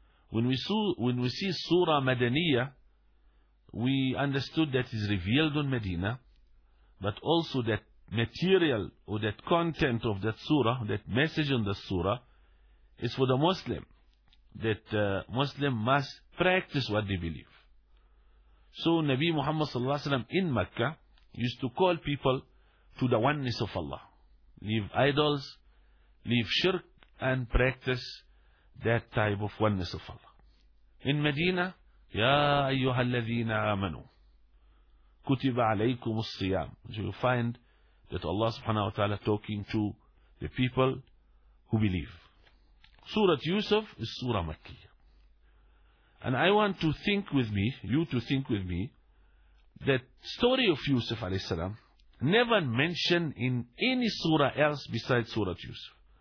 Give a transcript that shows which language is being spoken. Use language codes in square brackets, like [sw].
[en] When we see Surah Madaniyah, we understood that is revealed in Medina, but also that material or that content of that surah, that message in the surah, is for the Muslim, that Muslim must practice what they believe. So Nabi Muhammad sallallahu alaihi wasallam in Mecca used to call people to the oneness of Allah. Leave idols, leave shirk, and practice that type of oneness of Allah. In Medina, [ar] يا أيها الذين آمنوا كتب عليكم الصيام. [en] So you find that Allah subhanahu wa ta'ala talking to the people who believe. Surah Yusuf is Surah Makkiyah. And I want to think with me, you to think with me, that story of Yusuf alayhi salam never mentioned in any surah else besides Surah Yusuf.